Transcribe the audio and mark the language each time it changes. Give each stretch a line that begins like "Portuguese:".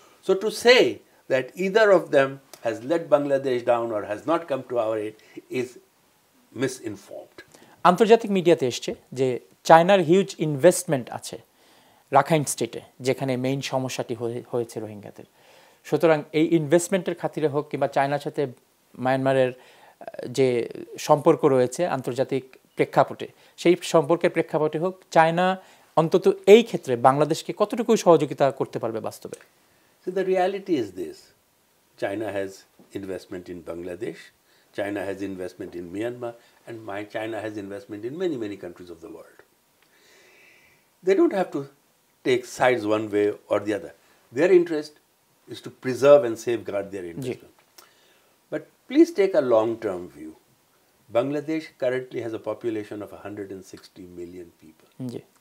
English: So to say that either of them has let Bangladesh down or has not come to our aid is misinformed.
Bangla: আন্তর্জাতিক মিডিয়াতে এসছে যে চায়নার huge investment আছে Rakhine স্টেটে, যেখানে মেইন সমস্যাটি হয়েছে রোহিঙ্গাদের। সুতরাং এই ইনভেস্টমেন্টের খাতিরে হোক কিংবা চায়নার সাথে মায়ানমারের যে সম্পর্ক রয়েছে আন্তর্জাতিক প্রেক্ষাপটে, সেই সম্পর্কের প্রেক্ষাপটে হোক, চায়না অন্তত এই ক্ষেত্রে বাংলাদেশকে কতটুকু সহযোগিতা করতে পারবে বাস্তবে?
English: So the reality is this, China has investment in Bangladesh, China has investment in Myanmar, and China has investment in many many countries of the world. They don't have to take sides one way or the other. Their interest is to preserve and safeguard their investment. Yeah. But please take a long-term view. Bangladesh currently has a population of 160 million people. Yeah.